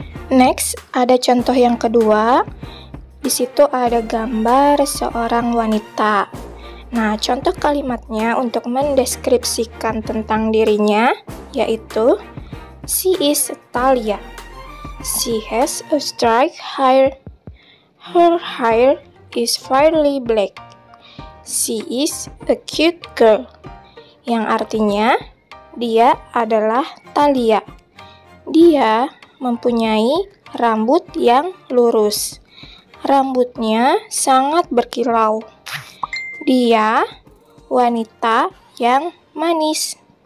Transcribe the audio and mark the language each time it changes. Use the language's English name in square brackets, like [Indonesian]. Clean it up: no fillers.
[Indonesian] Next, ada contoh yang kedua. Di situ ada gambar seorang wanita. Nah, contoh kalimatnya untuk mendeskripsikan tentang dirinya yaitu [English] she is Talia. She has a straight hair. Her hair is fairly black. She is a cute girl. [Indonesian] Yang artinya dia adalah Talia. Dia mempunyai rambut yang lurus. Rambutnya sangat berkilau. Dia wanita yang manis.